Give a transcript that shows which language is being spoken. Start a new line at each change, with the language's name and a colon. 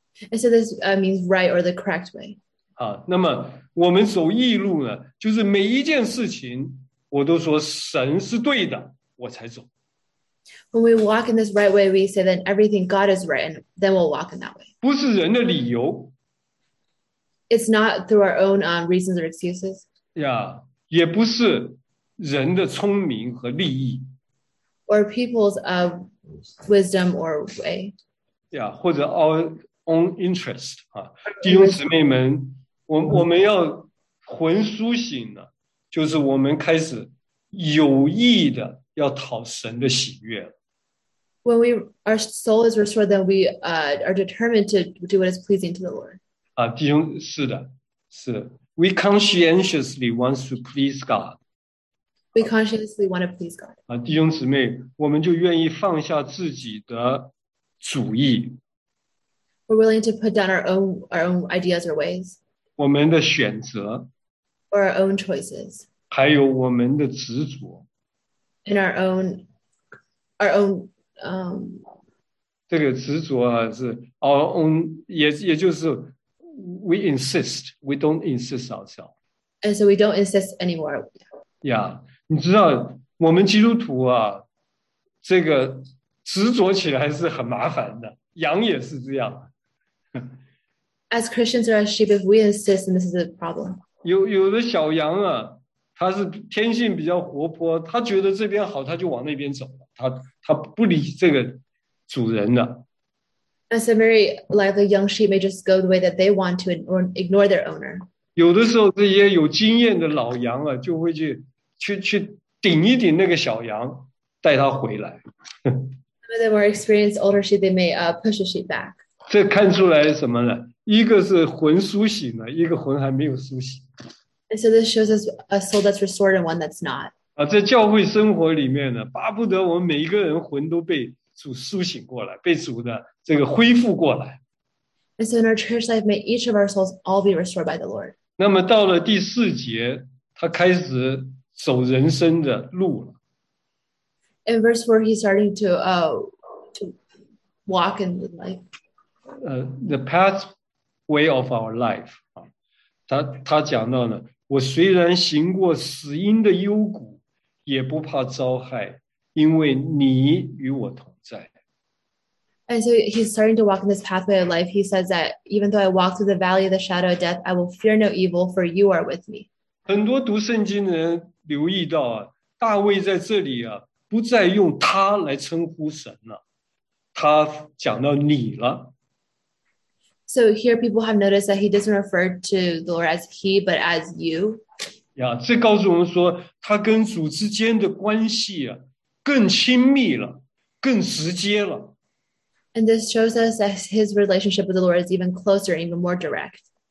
English: And so this means right or the correct way.
Chinese: 啊，那么我们走义路呢，就是每一件事情我都说神是对的，我才走。
English: When we walk in this right way, we say that everything God is right, and then we'll walk in that way.
Chinese: 不是人的理由。
English: It's not through our own reasons or excuses, 呀。
Chinese: 也不是人的聪明和利益，
English: or people's wisdom or way.
Chinese: 呀，或者
English: our own interest
Chinese: 啊，弟兄姊妹们，我们要魂苏醒了，就是我们开始有意的要讨神的喜悦。
English: When we our soul is restored, then we are determined to do what is pleasing to the Lord.
Chinese: 啊，弟兄，是的，是。
English: We conscientiously want to please God。 We consciously want to please God.
Chinese: 啊，弟兄姊妹，我们就愿意放下自己的主意，
English: We're willing to put down our own ideas or ways,
Chinese: 我们的选择，
English: or our own choices,
Chinese: 还有我们的执着。
English: and our own
Chinese: 这个执着啊，是
English: our own，
Chinese: 也就是。
English: We insist, we don't insist ourselves. And so we don't insist anymore.
Chinese: Yeah，你知道我们基督徒啊，这个执着起来是很麻烦的，羊也是这样。
English: As Christians or as sheep, if we insist, then this is a problem.
Chinese: 有的小羊啊，它是天性比较活泼，它觉得这边好，它就往那边走了，它不理这个主人的。
English: As a very lively young sheep may just go the way that they want to or ignore their owner.
Chinese: 有的时候，这些有经验的老羊啊，就会去顶一顶那个小羊，带它回来。
English: Some of the more experienced older sheep, they may push a sheep back.
Chinese: 这看出来什么呢？一个是魂苏醒了，一个魂还没有苏醒。
English: And so this shows us a soul that's restored and one that's not.
Chinese: 啊，在教会生活里面呢，巴不得我们每一个人魂都被主苏醒过来，被主的这个恢复过来。
English: And so in our church life, may each of our souls all be restored by the Lord.
Chinese: 那么到了第四节，他开始走人生的路了。
English: In verse 4, he's starting to walk in the light. The pathway of our life
Chinese: 啊，他讲到呢，我虽然行过死荫的幽谷，也不怕遭害，因为你与我同在。
English: And so he's starting to walk in this pathway of life. He says that even though I walk through the valley of the shadow of death, I will fear no evil, for you are with me.
Chinese: 很多读圣经的人留意到啊，大卫在这里啊，不再用他来称呼神了，他讲到你了。
English: So here people have noticed that he doesn't refer to the Lord as he, but as you.
Chinese: 呀，这告诉我们说，他跟主之间的关系啊，更亲密了，更直接了。
English: And this shows us that his relationship with the Lord is even closer, even more direct.